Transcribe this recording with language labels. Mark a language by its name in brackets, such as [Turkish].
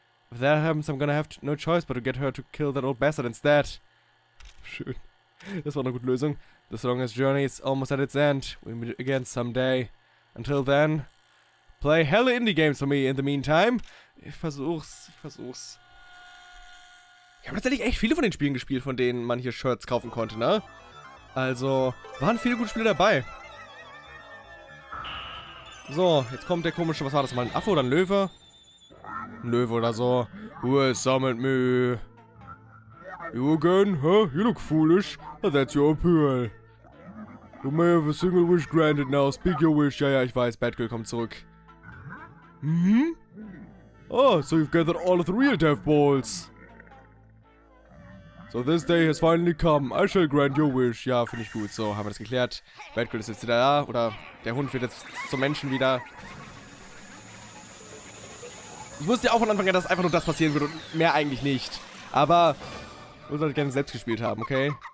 [English] If that happens, I'm gonna have no choice but to get her to kill that old bastard instead. Shoot. [German] Das war eine gute Lösung. [English] The longest journey is almost at its end. We meet again someday. Until then, play hella indie games for me in the meantime. [German] Ich versuch's. Ich habe tatsächlich echt viele von den Spielen gespielt, von denen man hier Shirts kaufen konnte, ne? Also, waren viele gute Spiele dabei. So, jetzt kommt der komische, was war das mal, ein Affe oder ein Löwe? Ein Löwe oder so. [English] Who has summoned me? You again? Huh? You look foolish. That's your appeal. You may have a single wish granted now. Speak your wish. [German] Ja, ja, ich weiß. Bad Girl kommt zurück. [English] Hm? Oh, so you've gathered all of the real death balls. So this day has finally come. I shall grant your wish. [German] Ja, finde ich gut. So, haben wir das geklärt. Bad Girl ist jetzt wieder da. Oder der Hund wird jetzt zum Menschen wieder. Ich wusste ja auch von Anfang an, dass einfach nur das passieren würde und mehr eigentlich nicht. Aber ich würde halt gerne selbst gespielt haben, okay?